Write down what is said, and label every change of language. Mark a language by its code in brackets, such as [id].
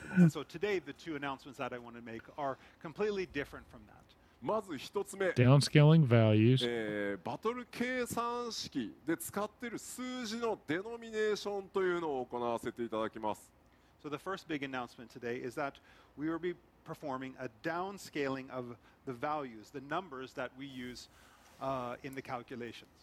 [en] So today, the two announcements that I want to make are completely different from that. Downscaling values. [ja] Battle 計算式で使ってる数字のデノミネーションというのを行わせていただきます。 [en] So the first big announcement today is that we will be performing a downscaling of the values, the numbers that we use in the calculations.